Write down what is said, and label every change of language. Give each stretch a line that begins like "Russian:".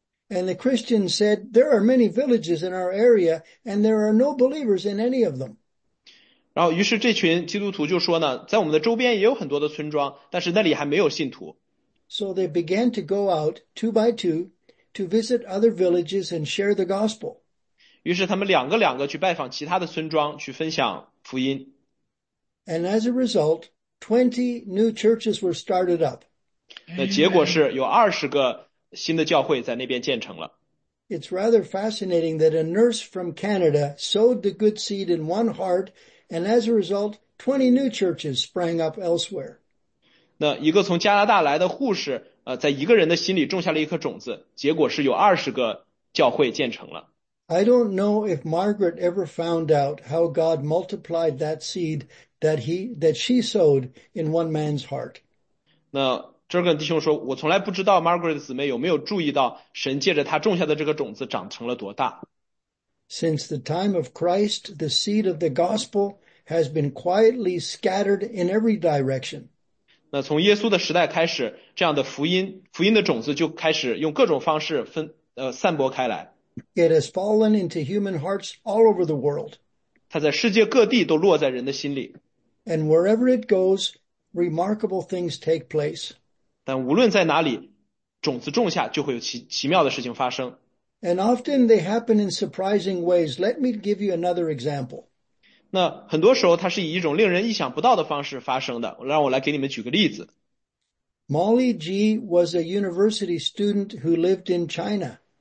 English: And the Christian said, there are many villages in our area, and there are no believers in any of them.
Chinese: 然后于是这群基督徒就说呢，在我们的周边也有很多的村庄，但是那里还没有信徒。
English: So they began to go out 2 by 2 to visit other villages and share the gospel.
Chinese: 于是他们两个两个去拜访其他的村庄，去分享福音。
English: And as a result, 20 new churches were started up.
Chinese: 那结果是有20个新的教会在那边建成了。
English: It's rather fascinating that a nurse from Canada sowed the good seed in one heart, and as a result, 20 new churches sprang up elsewhere.
Chinese: 那一个从加拿大来的护士，在一个人的心里种下了一颗种子，结果是有20个教会建成了。
English: I don't know if Margaret ever found out how God multiplied that seed that she sowed in one man's heart.
Chinese: 那这跟弟兄说，我从来不知道 Margaret 姊妹有没有注意到神借着她种下的这个种子长成了多大。
English: Since the time of Christ, the seed of the gospel has been quietly scattered in every direction.
Chinese: 那从耶稣的时代开始，这样的福音的种子就开始用各种方式散播开来。
English: It has fallen into human hearts all over the world.
Chinese: 它在世界各地都落在人的心里。
English: And wherever it goes, remarkable things take place.
Chinese: 但无论在哪里，种子种下就会有奇妙的事情发生。
English: And often they happen in surprising ways. Let me give you another example.
Chinese: 那很多时候它是以一种令人意想不到的方式发生的。让我来给你们举个例子。
English: Molly G was a university student who lived in China.